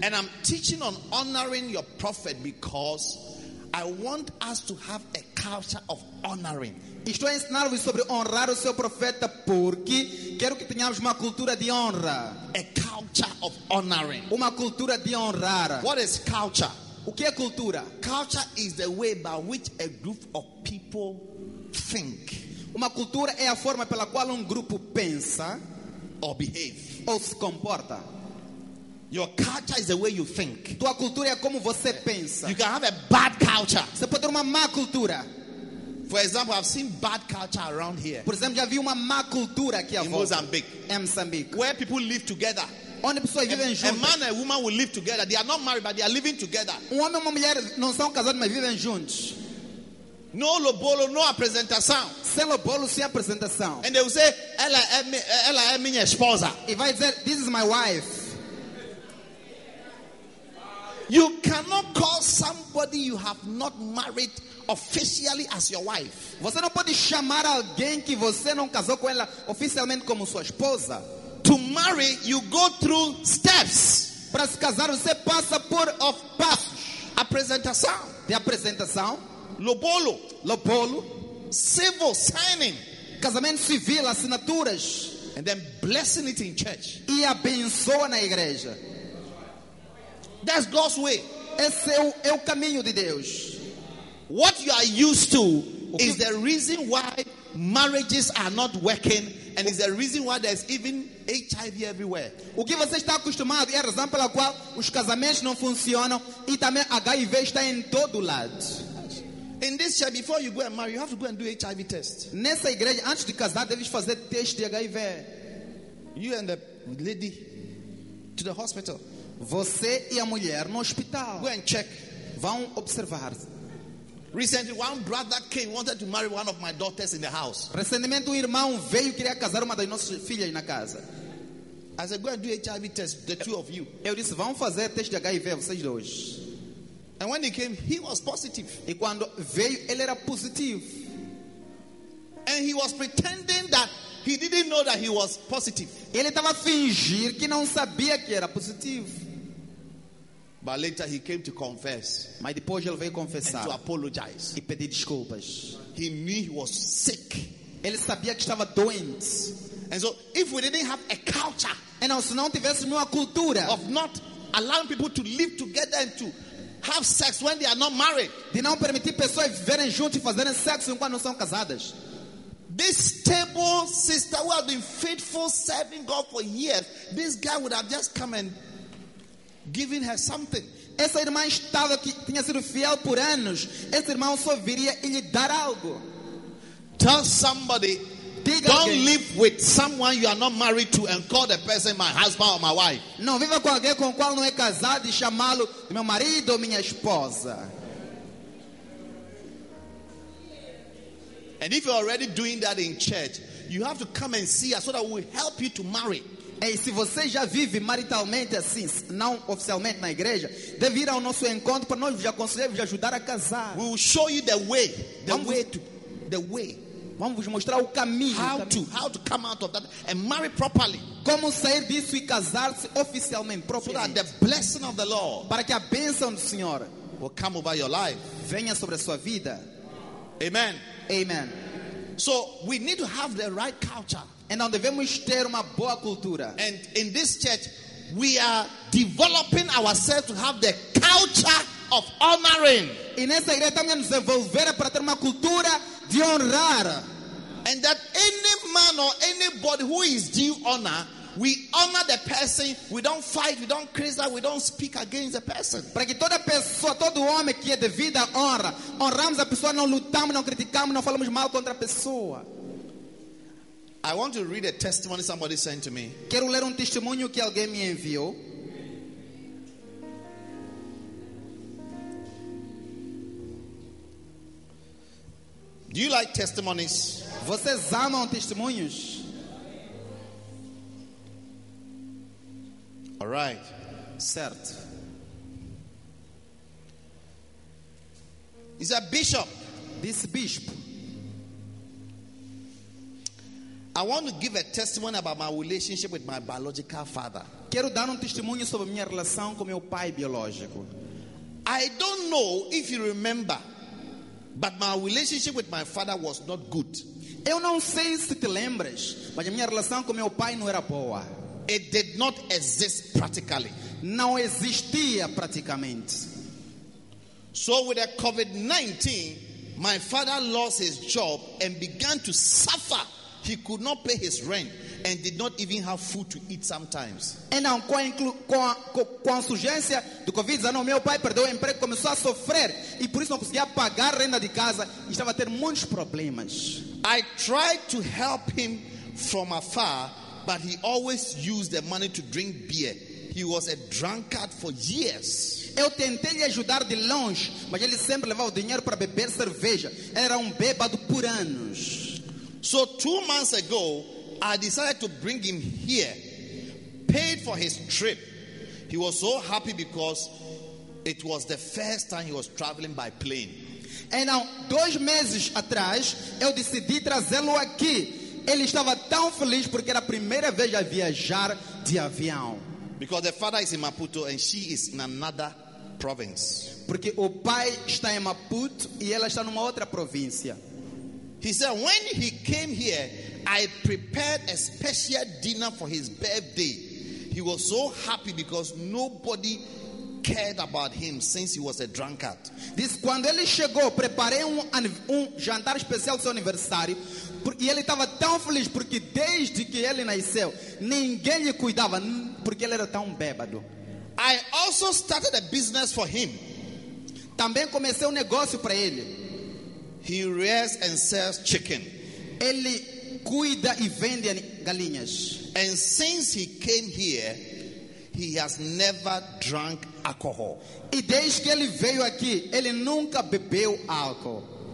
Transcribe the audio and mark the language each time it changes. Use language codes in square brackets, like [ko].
[en] And I'm teaching on honoring your prophet because I want us to have a culture of honoring. [pt] Estou a ensinar-vos sobre honrar o seu profeta porque quero que tenhamos uma cultura de honra. [en] A culture of honoring. [pt] Uma cultura de honrar. [en] What is culture? [pt] O que é cultura? [en] Culture is the way by which a group of people think. [pt] Uma cultura é a forma pela qual grupo pensa [en] or behave. [pt] Ou se comporta. [en] Your culture is the way you think. [pt] Tua cultura é como você pensa. [en] You can have a bad culture. [pt] Você pode ter uma má cultura. [en] For example, I've seen bad culture around here. [pt] Por exemplo, já vi uma má cultura aqui em Moçambique. Moçambique. [en] Where people live together. [pt] Onde pessoas vivem juntas. [en] A man and a woman will live together. They are not married, but they are living together. [pt] Um homem e uma mulher não são casados, mas vivem juntos. [en] No lobolo, no apresentação. [pt] Sem lobolo, sem apresentação. [en] And they will say, [pt] ela é minha esposa. [en] If I said, this is my wife. You cannot call somebody you have not married officially as your wife. [pt] Você não pode chamar alguém que você não casou com ela oficialmente como sua esposa. [en] To marry, you go through steps. [pt] Para se casar, você passa por of passos. Apresentação. De apresentação. Lobolo. Lobolo. [en] Civil signing. [pt] Casamento civil, assinaturas. [en] And then blessing it in church. [pt] E abençoa na igreja. [en] That's God's way. [pt] Esse é o caminho de Deus. [en] What you are used to is the reason why marriages are not working, and is the reason why there's even HIV everywhere. [pt] O que você está acostumado é a razão pela qual os casamentos não funcionam e também HIV está em todo lado. [en] In this church, before you go and marry, you have to go and do HIV test. [pt] Nessa igreja, antes de casar, deve fazer teste de HIV. [en] You and the lady to the hospital. [pt] Você e a mulher no hospital. [en] Go and check. [pt] Vão observar. [en] Recently, one brother came, wanted to marry one of my daughters in the house. [pt] Recentemente, um irmão veio queria casar uma das nossas filhas na casa. [en] I said, go and do HIV test, the two of you. [pt] Eu disse, vão fazer teste de HIV, vocês dois. [en] And when he came, he was positive. [pt] E quando veio, ele era positivo. [en] And he was pretending that he didn't know that he was positive. [pt] Ele estava fingir que não sabia que era positivo. [en] But later he came to confess. [pt] Mas depois ele veio confessar. [en] And to apologize. [pt] E pedir desculpas. [en] He knew he was sick. [pt] Ele sabia que estava doente. [en] And so if we didn't have a culture, [pt] e não, se não tivéssemos uma cultura [en] of not allowing people to live together and to have sex when they are not married, [pt] de não permitir pessoas viverem juntas e fazerem sexo enquanto não são casadas. [en] This table sister who has been faithful serving God for years, this guy would have just come and giving her something. [pt] Essa irmã estava aqui, tinha sido fiel por anos. Esse irmão só viria e lhe dar algo. [en] Tell somebody, [pt] diga [en] don't [pt] alguém, [en] live with someone you are not married to and call the person my husband or my wife. [pt] Não viva com alguém com qual não é casado e chamá-lo de meu marido ou minha esposa. [en] And if you're already doing that in church, you have to come and see us so that we will help you to marry. [pt] E se você já vive maritalmente assim, não oficialmente na igreja, deve ir ao nosso encontro para nós já aconselhar, já ajudar a casar. [en] We will show you the way. [pt] Vamos vos mostrar o caminho. [en] How to come out of that and marry properly. [pt] Como sair disso e casar-se oficialmente, [en] properly. The blessing of the Lord. [pt] Para que a bênção do Senhor [en] will come over your life. [pt] Venha sobre a sua vida. [en] Amen. Amen. So we need to have the right culture. [pt] E nós devemos ter uma boa cultura. [en] And in this church, we are developing ourselves to have the culture of honoring. [pt] E nessa igreja estamos desenvolvendo para ter uma cultura de honrar. [en] And that any man or anybody who is due honor, we honor the person. We don't fight. We don't criticize. We don't speak against the person. [pt] Para que toda pessoa, todo homem que é devido à honra, honramos a pessoa. Não lutamos, não criticamos, não falamos mal contra a pessoa. [en] I want to read a testimony somebody sent to me. [pt] Quero ler testemunho que alguém me enviou. [en] Do you like testimonies? [pt] Vocês amam testemunhos? [en] All right. [pt] Certo. [en] Is a bishop. This bishop. I want to give a testimony about my relationship with my biological father. [pt] Quero dar testemunho sobre minha relação com meu pai biológico. [en] I don't know if you remember, but my relationship with my father was not good. [pt] Eu não sei se te lembras, mas a minha relação com meu pai não era boa. [en] It did not exist practically. [pt] Não existia praticamente. [en] So with the COVID-19, my father lost his job and began to suffer. He could not pay his rent and did not even have food to eat sometimes. [pt] E não com a surgência do Covid, já meu pai perdeu o emprego, começou a sofrer e por isso não conseguia pagar a renda de casa e estava a ter muitos problemas. [en] I tried to help him from afar, but he always used the money to drink beer. He was a drunkard for years. [pt] Eu tentei lhe ajudar de longe, mas ele sempre levava o dinheiro para beber cerveja. Era bêbado por anos. [en] So 2 months ago, I decided to bring him here, paid for his trip. He was so happy because it was the first time he was traveling by plane. [pt] Então, 2 meses atrás, eu decidi trazê-lo aqui. Ele estava tão feliz porque era a primeira vez a viajar de avião. [en] Because the father is in Maputo and she is in another province. [pt] Porque o pai está em Maputo e ela está numa outra província. [en] He said, when he came here, I prepared a special dinner for his birthday. He was so happy because nobody cared about him since he was a drunkard. [pt] Diz, quando ele chegou, preparei um jantar especial para seu aniversário. E ele estava tão feliz porque desde que ele nasceu, ninguém lhe cuidava porque ele era tão bêbado. [en] I also started a business for him. [pt] Também comecei um negócio para ele. [en] He rears and sells chicken. [pt] Ele cuida e vende galinhas. [en] And since he came here, he has never drunk alcohol. [pt] E desde que ele veio aqui, ele nunca bebeu álcool.